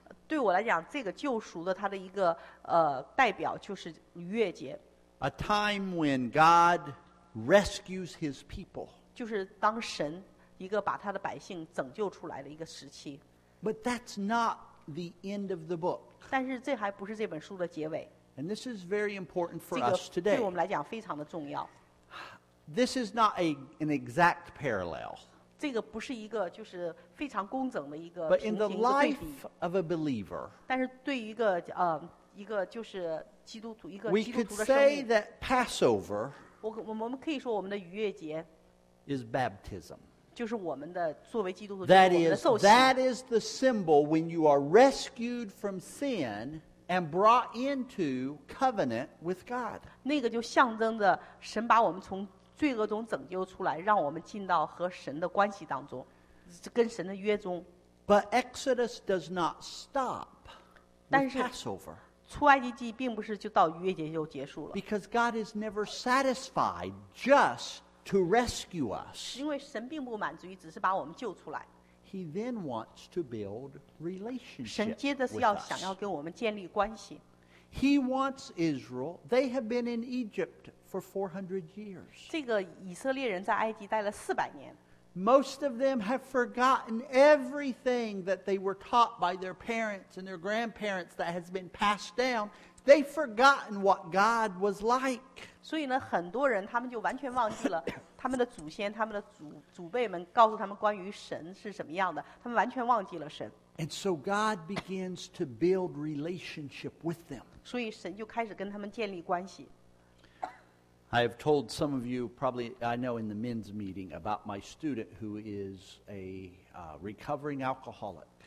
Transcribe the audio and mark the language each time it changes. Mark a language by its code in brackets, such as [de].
[zh] 对我来讲，这个救赎的它的一个代表就是逾越节。 [en] A time when God rescues His people. [zh] 就是当神一个把他的百姓拯救出来的一个时期。 [en] But that's not the end of the book. [zh] 但是这还不是这本书的结尾。 [en] And this is very important for us today. [zh] 对我们来讲非常的重要。 [en] This is not an exact parallel. [zh] 这个不是一个就是非常工整的一个。 [en] But in the life of a believer. [zh] 但是对于一个就是基督徒一个基督徒的生命。 [en] We could say that Passover. [zh] 我们可以说我们的逾越节。 [en] Is baptism. [zh] 就是我们的作为基督徒，就是我们的受洗。 [en] That is the symbol when you are rescued from sin and brought into covenant with God. [zh] 那个就象征着神把我们从罪恶中拯救出来，让我们进到和神的关系当中，跟神的约中。 [en] But Exodus does not stop with Passover. [zh] 出埃及记并不是就到逾越节就结束了。 [en] Because God is never satisfied just to rescue us. [zh] 因为神并不满足于只是把我们救出来。 [en] He then wants to build relationship with us. [zh] 神接着是要想要跟我们建立关系。 [en] He wants Israel. They have been in Egypt for 400 years. [zh] 这个以色列人在埃及待了四百年。 [en] Most of them have forgotten everything that they were taught by their parents and their grandparents that has been passed down. They've forgotten what God was like. [zh] 所以呢，很多人他们就完全忘记了他们的祖先，他们的祖辈们告诉他们关于神是什么样的，他们完全忘记了神。 [en] And so God begins to build relationship with them. [zh] 所以神就开始跟他们建立关系。 [en] I have told some of you, probably I know in the men's meeting, about my student who is a recovering alcoholic.